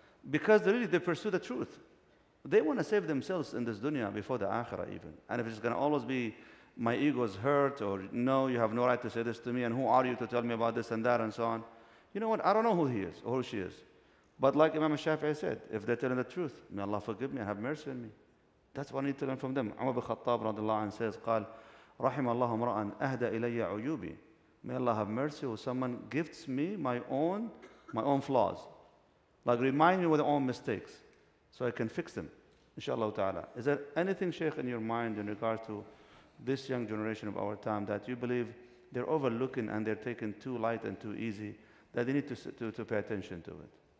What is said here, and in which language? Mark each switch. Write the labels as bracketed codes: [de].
[en] Because they pursue the truth. They want to save themselves in this dunya before the akhirah even. And if it's going to always be, my ego is hurt, or no, you have no right to say this to me, and who are you to tell me about this and that and so on. You know what? I don't know who he is or who she is. But like Imam Shafi'i said, if they're telling the truth, may Allah forgive me and have mercy on me. That's what I need to learn from them. [ar] Umar bin Khattab radiallahu anhu says, قال رحم الله امرأ اهدى إلي عيوبي. [en] May Allah have mercy when someone gifts me my own flaws. Like remind me of my own mistakes so I can fix them, inshallah ta'ala. Is there anything, Shaykh, in your mind in regard to this young generation of our time that you believe they're overlooking and they're taking too light and too easy, that they need to pay attention to it?